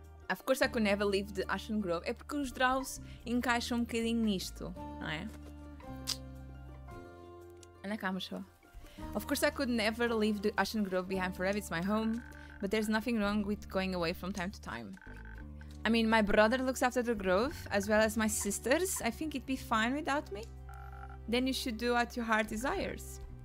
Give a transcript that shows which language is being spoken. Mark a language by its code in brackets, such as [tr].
[en] Of course I could never leave the Ashen Grove. [pt] É porque os draws encaixam um bocadinho nisto, não é? Anda cá, macho. [en] Of course I could never leave the Ashen Grove behind forever. It's my home. But there's nothing wrong with going away from time to time. I mean, my brother looks after the grove, as well as my sisters. I think it'd be fine without me. Then you should do what your heart desires.